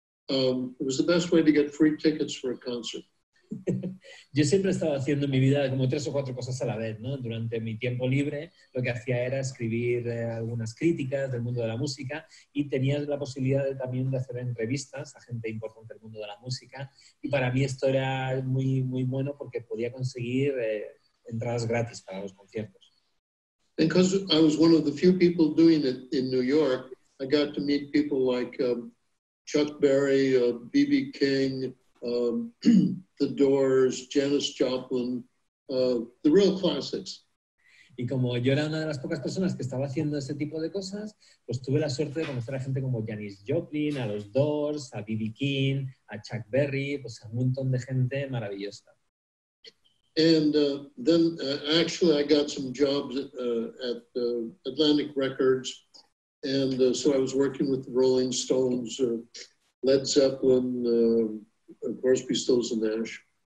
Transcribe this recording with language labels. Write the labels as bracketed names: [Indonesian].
[English] It was the best way to get free tickets for a concert. [Spanish] Yo siempre estaba haciendo en mi vida como tres o cuatro cosas a la vez, ¿no? Durante mi tiempo libre, lo que hacía era escribir algunas críticas del mundo de la música y tenía la posibilidad también de hacer entrevistas a gente importante del mundo de la música. Y para mí esto era muy, muy bueno porque podía conseguir entradas gratis para los conciertos. [English] Because I was one of the few people doing it in New York, I got to meet people like Chuck Berry, B.B. King, The Doors, Janis Joplin, the real classics. [Spanish] Y como yo era una de las pocas personas que estaba haciendo ese tipo de cosas, pues tuve la suerte de conocer a gente como Janis Joplin, a los Doors, a B.B. King, a Chuck Berry, pues a un montón de gente maravillosa. [English] And then actually, I got some jobs at Atlantic Records. And so I was working with the Rolling Stones, Led Zeppelin, Crosby, Stills and Nash.